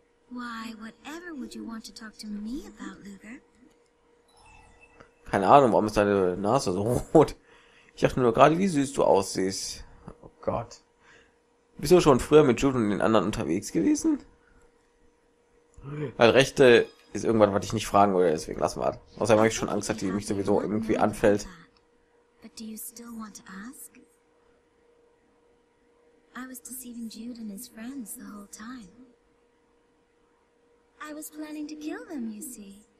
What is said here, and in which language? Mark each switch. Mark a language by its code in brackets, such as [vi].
[en] Why, whatever would you want to talk to me about, Luger? [de] Keine Ahnung, warum ist deine Nase so rot? Ich dachte nur gerade, wie süß du aussiehst. Oh Gott. Bist du schon früher mit Jude und den anderen unterwegs gewesen? Weil Rechte ist irgendwas, was ich nicht fragen würde, deswegen lassen wir das. Außerdem habe ich schon Angst, dass die mich sowieso irgendwie anfällt. [en] But do you still want to ask? I was deceiving Jude and his friends the whole time. I was planning to kill them, you see.